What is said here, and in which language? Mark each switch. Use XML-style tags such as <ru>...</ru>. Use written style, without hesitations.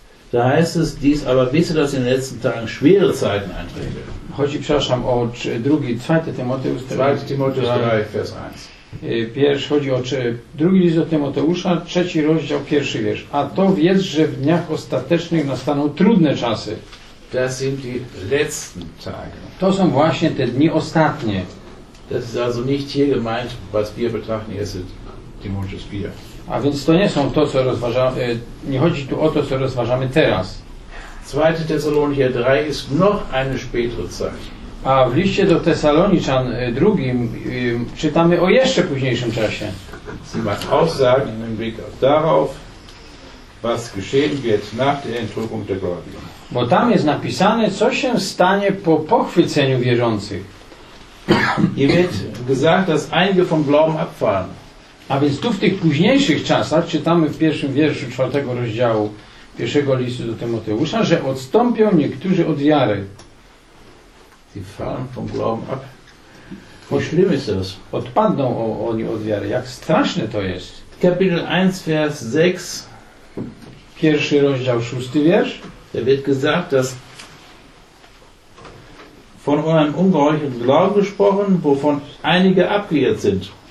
<de>Da heißt es dies, aber wisse, dass in den letzten Tagen schwere Zeiten eintreten.</de> <pl>Chodzi, przepraszam, o 2 Tymoteusz 3, vers 1. Chodzi o 2 list do Tymoteusza, 3 rozdział, 1 wiersz. A to wiedz, że w dniach ostatecznych nastaną trudne czasy.</pl> <de>Das sind die letzten Tage.</de> <pl>To są właśnie te dni ostatnie.</pl> <de>Das ist also nicht hier gemeint, was wir betrachten, jest Timotheus 4.</de> <pl>A więc to nie są to, co rozważamy, nie chodzi tu o to, co rozważamy teraz.</pl> <de>2. Thessalonicher 3 ist noch eine spätere Zeit.</de> <pl>A w liście do Tesaloniczan drugim czytamy o jeszcze późniejszym czasie.</pl> <de>Sie macht Aussagen im Blick darauf, was geschehen wird nach der Entrückung der Gläubigen.</de> <pl>Bo tam jest napisane, co się stanie po pochwyceniu wierzących.</pl> <de>Hier wird gesagt, dass einige vom Glauben abfallen.</de> <pl>A więc tu w tych późniejszych czasach czytamy w pierwszym wierszu 4 rozdziału 1 listu do Tymoteusza, że odstąpią niektórzy od wiary.</pl> <de>Die fallen vom Glauben ab. Wie schlimm ist das?</de> <pl>Odpadną oni od wiary. Jak straszne to jest.</pl> <de>Kapitel 1, vers 6.</de> <pl>Pierwszy rozdział, szósty wiersz.</pl> <de>Da wird gesagt, dass von eurem ungehorchten Glauben gesprochen, wovon einige abgeirrt sind.</de>